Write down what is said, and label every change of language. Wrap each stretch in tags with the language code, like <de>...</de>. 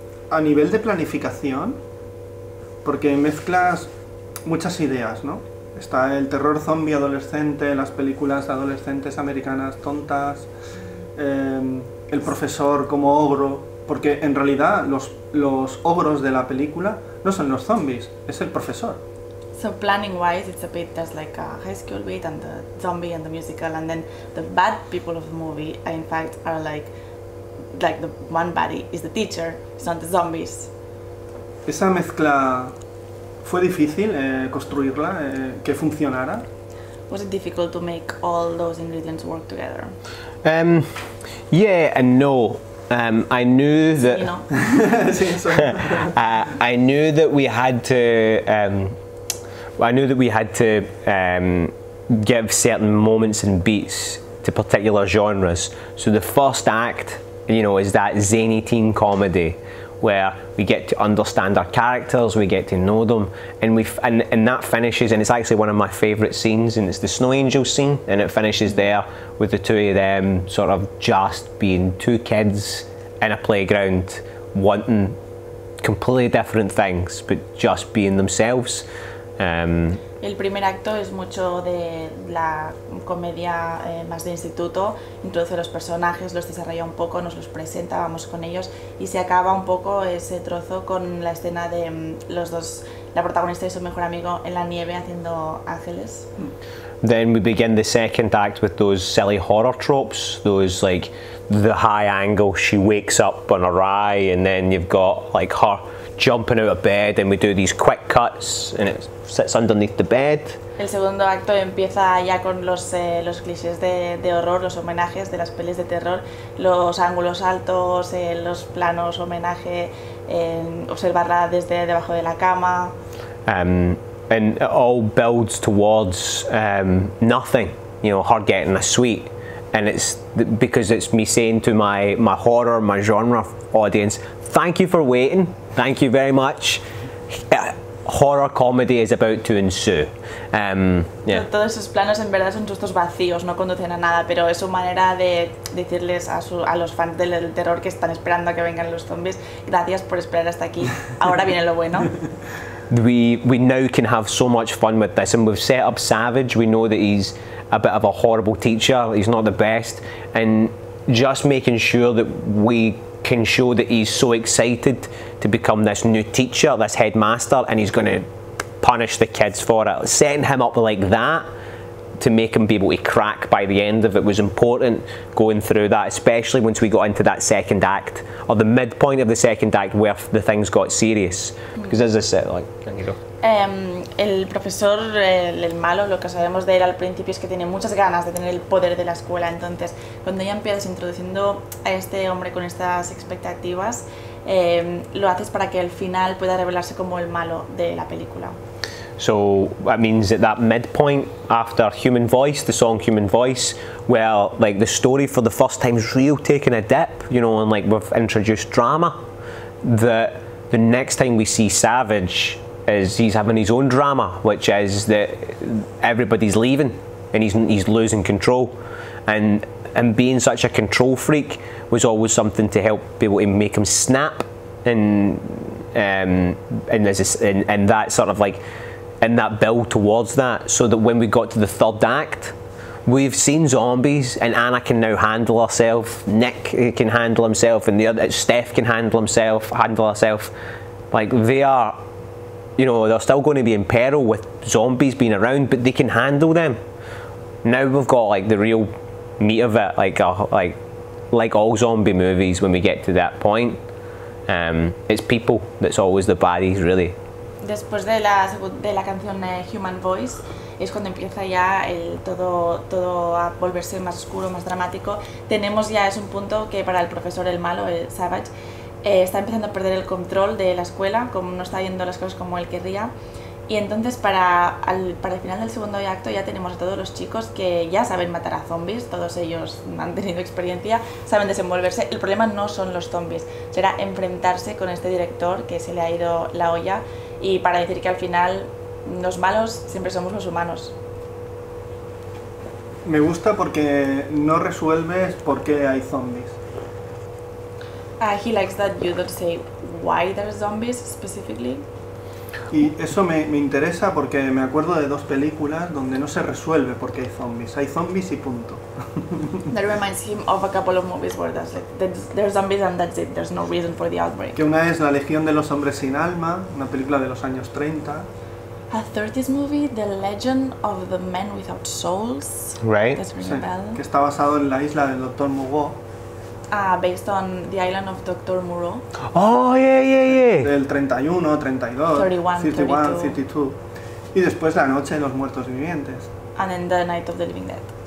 <es>A nivel de planificación, porque mezclas muchas ideas, ¿no? Está el terror zombie adolescente, las películas adolescentes americanas tontas, el profesor como ogro, porque en realidad los ogros de la película no son los zombies, es el profesor.</es> <en>So planning wise, it's a bit just like a high school bit and the zombie and the musical, and then the bad people of the movie in fact are like the one body is the teacher, it's not the zombies.</en> <es>Esa mezcla, ¿fue difícil construirla, que funcionara?</es> <en>Was it difficult to make all those ingredients work together? Yeah and no. I knew that. No. I knew that we had to give certain moments and beats to particular genres. So the first act, you know, is that zany teen comedy, where we get to understand our characters, we get to know them, and that finishes, and it's actually one of my favourite scenes, and it's the Snow Angel scene, and it finishes there with the two of them sort of just being two kids in a playground, wanting completely different things, but just being themselves.</en> <es>El primer acto es mucho de la comedia más de instituto, introduce los personajes, los desarrolla un poco, nos los presenta, vamos con ellos, y se acaba un poco ese trozo con la escena de los dos, la protagonista y su mejor amigo en la nieve haciendo ángeles.</es> <en>Then we begin the second act with those silly horror tropes, those like the high angle, she wakes up on a rye, and then you've got like her jumping out of bed, and we do these quick cuts, and it sits underneath the bed.</en> <es>El segundo acto empieza ya con los clichés de horror, los homenajes de las pelis de terror, los ángulos altos, los planos homenaje, observarla desde debajo de la cama.</es> <en>And it all builds towards nothing, you know, her getting a sweet. And it's because it's me saying to my horror, my genre audience, thank you for waiting, thank you very much. Horror comedy is about to ensue. Yeah.</en> <es>Todos esos planos en verdad son sustos vacíos, no conducen a nada, pero es su manera de decirles a los fans del terror que están esperando a que vengan los zombies, gracias por esperar hasta aquí, ahora viene lo bueno.</es> <en>We now can have so much fun with this, and we've set up Savage. We know that he's a bit of a horrible teacher, he's not the best, and just making sure that we can show that he's so excited to become this new teacher, this headmaster, and he's going to punish the kids for it. Setting him up like that to make him be able to crack by the end of it was important, going through that, especially once we got into that second act, or the midpoint of the second act, where the things got serious. Because as I said, like, can you go?</en> <es>El profesor, el malo, lo que sabemos de él al principio es que tiene muchas ganas de tener el poder de la escuela. Entonces, cuando ya empiezas introduciendo a este hombre con estas expectativas, lo haces para que al final pueda revelarse como el malo de la película.</es> <en>So that means at that midpoint after Human Voice, the song Human Voice, well, like the story for the first time is real taking a dip, you know, and like we've introduced drama. The next time we see Savage is he's having his own drama, which is that everybody's leaving and he's losing control. And being such a control freak was always something to help be able to make him snap and that sort of like, and that build towards that, so that when we got to the third act, we've seen zombies, and Anna can now handle herself, Nick can handle himself, and the other Steph can handle herself. Like, they are, you know, they're still going to be in peril with zombies being around, but they can handle them. Now we've got like the real meat of it, like all zombie movies, when we get to that point, it's people that's always the baddies, really.</en> <es>Después de la canción Human Voice es cuando empieza ya el todo a volverse más oscuro, más dramático. Tenemos ya, es un punto que para el profesor el malo, el Savage, está empezando a perder el control de la escuela, como no está yendo las cosas como él querría, Y entonces para el final del segundo acto ya tenemos a todos los chicos que ya saben matar a zombies, todos ellos han tenido experiencia, saben desenvolverse. El problema no son los zombies, será enfrentarse con este director que se le ha ido la olla, y para decir que al final los malos siempre somos los humanos. Me gusta porque no resuelves por qué hay zombies.</es> <en>He likes that you don't say why there are zombies specifically.</en> <es>Y eso me interesa porque me acuerdo de dos películas donde no se resuelve por qué hay zombies y punto.</es> <en>That reminds him of a couple of movies where that's like, there's zombies and that's it, there's no reason for the outbreak.</en> <es>Que una es La Legión de los Hombres Sin Alma, una película de los años 30.</es> <en>A 30s movie, The Legend of the Men Without Souls. Right.</en> <es>Que está basado en la isla del Dr. Moreau.</es> <en>Based on the island of Dr. Moreau. Oh, yeah.</en> <es>Del 31, 32.</es> <en>31, 32.</en> <es>Y después La Noche de los Muertos Vivientes.</es> <en>And then The Night of the Living Dead.</en>